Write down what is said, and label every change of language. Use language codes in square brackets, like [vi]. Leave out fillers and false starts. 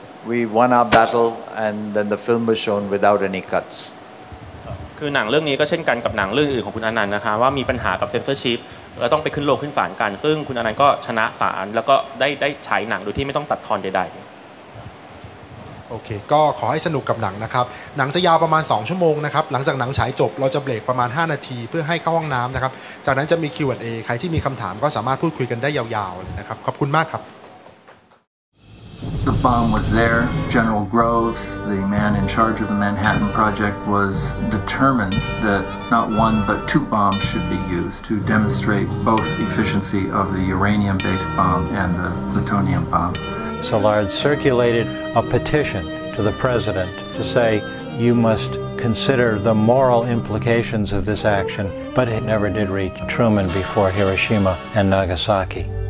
[en] We won our battle, and then the film was shown without any cuts. [th] คือหนังเรื่องนี้ก็เช่นกันกับหนังเรื่องอื่นของคุณอนันต์นะคะว่ามีปัญหากับเซนเซอร์ชิพแล้วต้องไปขึ้นโรงขึ้นศาลกันซึ่งคุณอนันต์ก็ชนะศาลแล้วก็ได้ฉายหนังโดยที่ไม่ต้องตัดทอนใด ๆโอเคก็ขอให้สนุกกับหนังนะครับหนังจะยาวประมาณ2ชั่วโมงนะครับหลังจากหนังฉายจบเราจะเบรกประมาณ5นาทีเพื่อให้เข้าห้องน้ำนะครับจากนั้นจะมี Q&A ใครที่มีคำถามก็สามารถพูดคุยกันได้ยาวๆเลยนะครับขอบคุณมากครับ [en] The bomb was there. General Groves, the man in charge of the Manhattan Project, was determined that not one but two bombs should be used to demonstrate both efficiency of the uranium-based bomb and the plutonium bomb. Szilard circulated a petition to the president to say, you must consider the moral implications of this action, but it never did reach Truman before Hiroshima and Nagasaki.